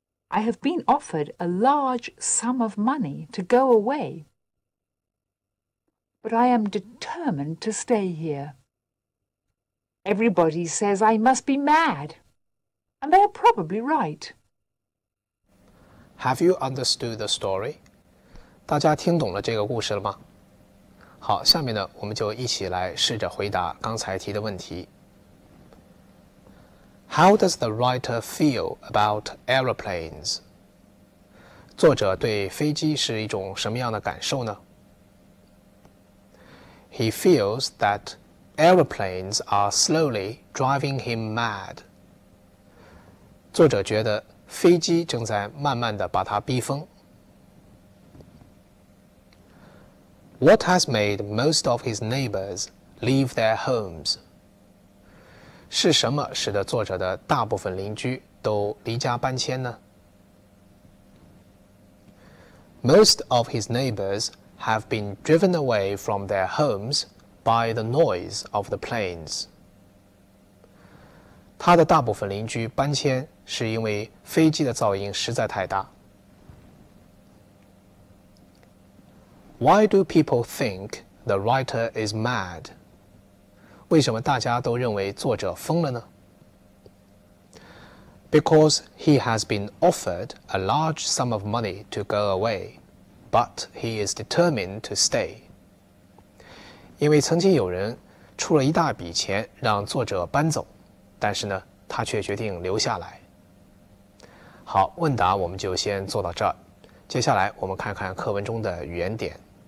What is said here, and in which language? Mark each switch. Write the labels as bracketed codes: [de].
[en] I have been offered a large sum of money to go away. But I am determined to stay here. Everybody says I must be mad, and they are probably right. Have you understood the story? [zh] 大家听懂了这个故事了吗？好，下面呢，我们就一起来试着回答刚才提的问题。 [en] How does the writer feel about aeroplanes? [zh] 作者对飞机是一种什么样的感受呢？ [en] He feels thatAeroplanes are slowly driving him mad. [zh] 作者觉得飞机正在慢慢地把他逼疯。 [en] What has made most of his neighbors leave their homes? [zh] 是什么使得作者的大部分邻居都离家搬迁呢？ [en] Most of his neighbors have been driven away from their homes. By the noise of the planes. [zh] 他的大部分邻居搬迁是因为飞机的噪音实在太大。 Why do people think the writer is mad? 为什么大家都认为作者疯了呢？ Because he has been offered a large sum of money to go away, but he is determined to stay. 因为曾经有人出了一大笔钱让作者搬走，但是呢，他却决定留下来。好，问答我们就先做到这儿。接下来我们看看课文中的语言点。